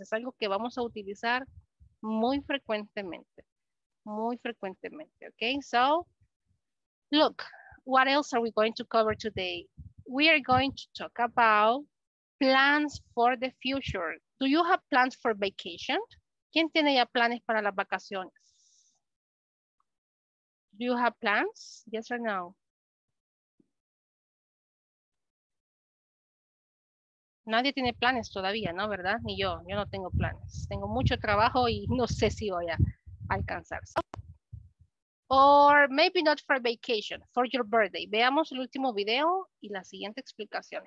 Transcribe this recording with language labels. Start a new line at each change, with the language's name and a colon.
Spanish: Es algo que vamos a utilizar muy frecuentemente. Muy frecuentemente, okay?
English: So, look, what else are we going to cover today? We are going to talk about plans for the future. Do you have plans for vacation?
Spanish: ¿Quién tiene ya planes para las vacaciones?
English: Do you have plans? Yes or no?
Spanish: Nadie tiene planes todavía, ¿no? ¿Verdad? Ni yo. Yo no tengo planes. Tengo mucho trabajo y no sé si voy a alcanzar.
English: So, or maybe not for vacation, for your birthday.
Spanish: Veamos el último video y la siguiente explicación.